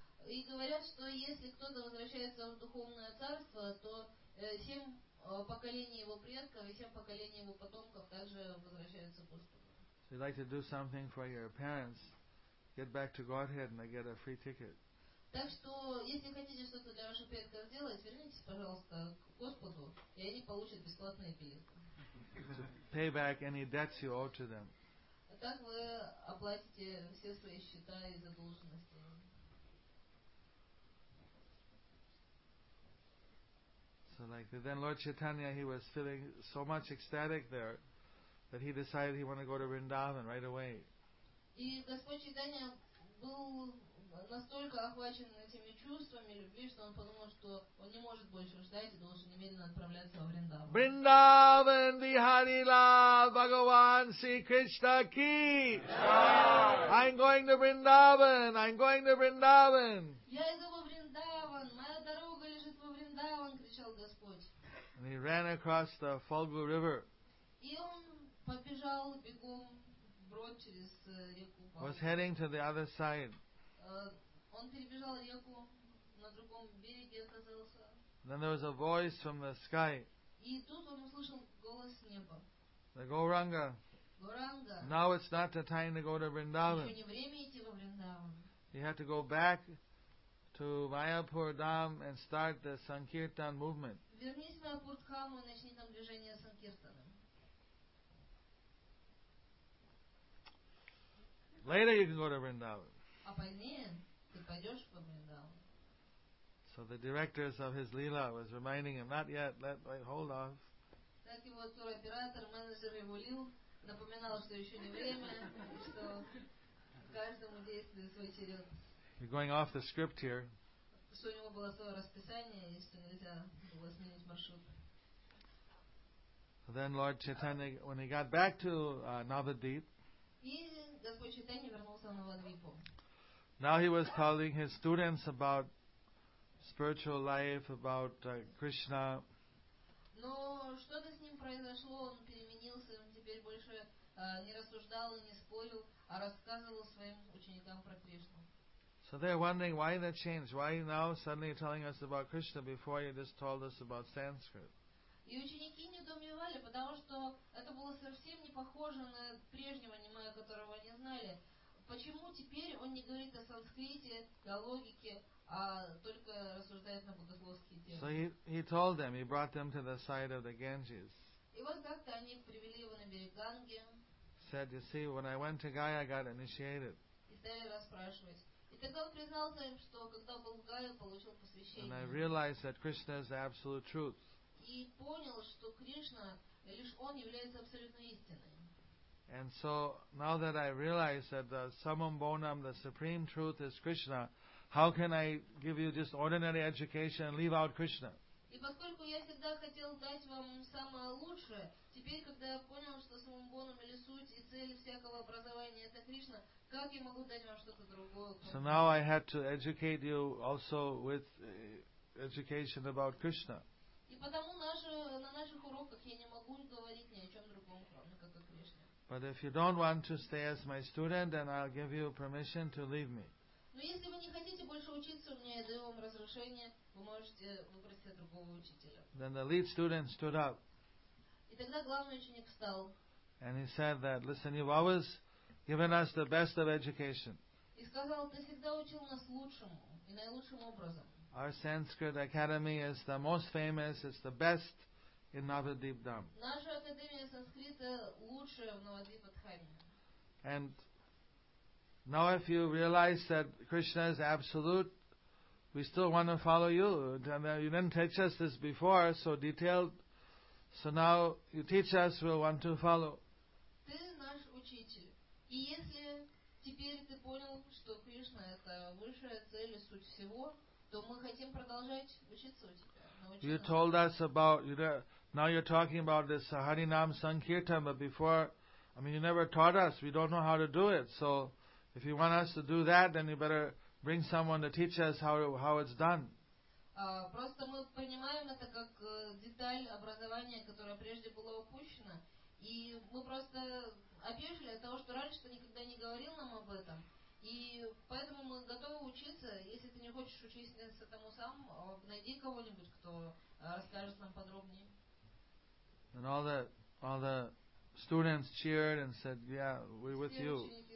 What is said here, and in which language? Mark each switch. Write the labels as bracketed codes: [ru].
[ru] И говорят, что если кто-то возвращается в духовное царство, то семь поколений его предков и семь поколений его потомков также возвращаются к Господу. [en] So you'd like to do something for your parents, get back to Godhead and they get a free ticket. [ru] Так что, если хотите что-то для ваших предков сделать, вернитесь, пожалуйста, к Господу, и они получат бесплатные билеты. [en] Pay back any debts you owe to them. [ru] Так вы оплатите все свои счета и задолженности. [en] So like that. Then Lord Chaitanya, he was feeling so much ecstatic there that he decided he wanted to go to Vrindavan right away. [ru] И Господь Чайтанья был настолько охвачен этими чувствами любви, что он подумал, что он не может больше ждать и должен немедленно отправляться в Вриндаван. [hi] Vrindavan Bihari Lal Bhagavan Sri Krishna Ki. [en] I'm going to Vrindavan. I'm going to Vrindavan. [ru] Я иду во Вриндаван. Моя дорога лежит во Вриндаван, кричал Господь. [en] And he ran across the Falgu River. [ru] И он побежал бегом вброд через реку [en] Фалгу. Was heading to the other side. [ru] Он перебежал реку на другом береге оказался. [en] Then there was a voice from the sky. [ru] И тут он услышал голос с неба. [en] The Gauranga. Gauranga. Now it's not the time to go to Vrindavan. [ru] Еще не время идти во Вриндаван. [en] You have to go back to Mayapur Dham and start the Sankirtan movement. [ru] Вернись в Mayapur Dham и начни там движение Санкиртаном. [en] Later you can go to Vrindavan. [ru] А позднее ты пойдешь по Вриндаву. [en] So the directors of his Leela was reminding him, not yet, let wait, hold off. [ru] Так его туроператор, менеджер его Лил, напоминал, что еще не время, что каждому действует свой черед. [en] You're going off the script here. [ru] Что у него было свое расписание, и что нельзя было сменить маршрут. [en] Then Lord Chaitanya, when he got back to Navadvip, [ru] и Господь Чайтанья вернулся на Навадвипу. [en] Now he was telling his students about spiritual life, about Krishna. [ru] Но что-то с ним произошло, он переменился, он теперь больше не рассуждал и не спорил, а рассказывал своим ученикам про Кришну. [en] So they're wondering why the change, why now suddenly you're telling us about Krishna before you just told us about Sanskrit. [ru] И ученики недоумевали, потому что это было совсем не похоже на прежнего анимая, которого они знали. Почему теперь он не говорит о санскрите, о логике, а только рассуждает на богословские темы? [en] So he told them, he brought them to the side of the Ganges. [ru] И вот как-то они привели его на берег Ганги. [en] Said, you see, when I went to Gaya, I got initiated. [ru] И стали расспрашивать. И тогда он признался им, что когда был в Гае, получил посвящение. [en] And I realized that Krishna is the absolute truth. [ru] И понял, что Кришна, лишь он является абсолютной истиной. [en] And so now that I realize that the summum bonum, the supreme truth is Krishna, how can I give you just ordinary education and leave out Krishna? [ru] И поскольку я всегда хотел дать вам самое лучшее, теперь, когда я понял, что самбоном или суть и цель всякого образования это Кришна, как я могу дать вам что-то другое? [en] So now I had to educate you also with education about Krishna. [ru] И потому на наших уроках я не могу говорить ни о чем другом, кроме как о Кришне. [en] But if you don't want to stay as my student, then I'll give you permission to leave me. [ru] Но если вы не хотите больше учиться, у меня я даю вам разрешение, вы можете выпросить другого учителя. [en] Then the lead student stood up. [ru] И тогда главный ученик встал. [en] And he said that, listen, you've always given us the best of education. [ru] И сказал, ты всегда учил нас лучшему и наилучшим образом. [en] Our Sanskrit Academy is the most famous, it's the best in Navadvip Dham. [ru] Наша Академия Санскрита лучшая в Навадвипа-дхаме. [en] And now if you realize that Krishna is absolute, we still want to follow you. You didn't teach us this before, so detailed. So now you teach us, we'll want to follow. [ru] Ты наш учитель. И если теперь ты понял, что Кришна это высшая цель и суть всего, то мы хотим продолжать учиться у тебя. [en] You told us about, you know, now you're talking about this Harinam Sankirtan, but before, I mean, you never taught us. We don't know how to do it. So if you want us to do that, then you better bring someone to teach us how it's done. [ru] Просто мы принимаем это как деталь образования, которая прежде была упущена. И мы просто опешили от того, что раньше ты никогда не говорил нам об этом. И поэтому мы готовы учиться. Если ты не хочешь учиться тому сам, найди кого-нибудь, кто расскажет нам подробнее. [en] And all the students cheered and said, yeah, we're with you.